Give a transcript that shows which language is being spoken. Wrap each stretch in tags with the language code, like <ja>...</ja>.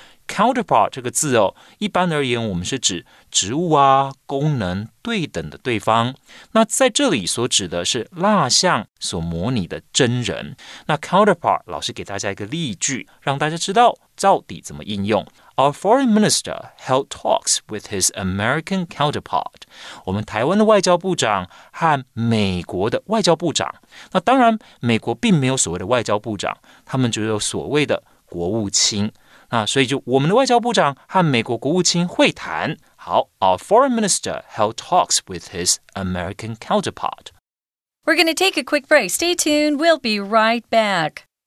<zh>counterpart 这个字哦，一般而言我们是指植物啊功能对等的对方，那在这里所指的是蜡像所模拟的真人。那 counterpart 老师给大家一个例句，让大家知道到底怎么应用。</zh> <en>Our foreign minister held talks with his American counterpart.</en> <zh>我们台湾的外交部长和美国的外交部长，那当然美国并没有所谓的外交部长，他们只有所谓的国务卿。那所以就我们的外交部长和美国国务卿会谈。</zh> <en>好， Our foreign minister held talks with his American counterpart. We're going to take a quick break. Stay tuned. We'll be right back.</en>